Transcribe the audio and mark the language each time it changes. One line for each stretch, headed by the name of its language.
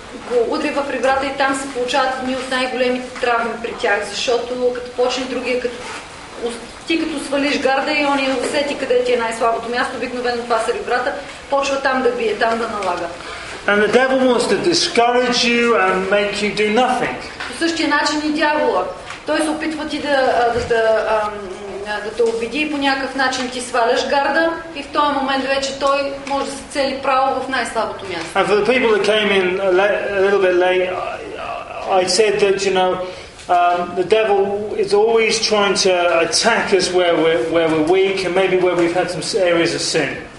Bulgarian: Го удри в ребрата и там се получават едни от най-големите травми при тях, защото като почне другия, ти като свалиш гарда и он я усети къде ти е най-слабото място, обикновено това са ребрата, почва там да бие, там да налага.
English: And the devil wants to discourage you and make you do nothing.
Bulgarian: По същия начин и дявола. Той се опитва ти да те убеди и по някакъв начин ти сваляш гарда и в този момент вече той може да се цели право в най-слабото място.
English: And for the people that came in a little bit late, I said that, you know, the devil is always trying to attack us where we're weak and maybe where we've had some areas of sin.